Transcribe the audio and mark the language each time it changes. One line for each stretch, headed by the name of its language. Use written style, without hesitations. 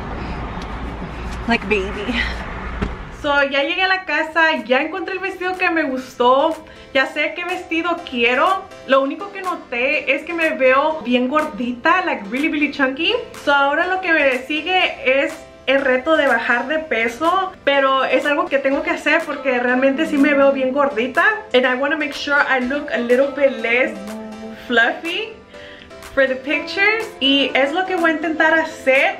English: Smells really nice, like baby.
Spanish: So ya llegué a la casa, ya encontré el vestido que me gustó, ya sé qué vestido quiero. Lo único que noté es que me veo bien gordita,
English: like really really chunky.
Spanish: So ahora lo que me sigue es el reto de bajar de peso, pero es algo que tengo que hacer porque realmente sí me veo bien gordita.
English: And I want to make sure I look a little bit less fluffy for the pictures.
Spanish: Y es lo que voy a intentar hacer.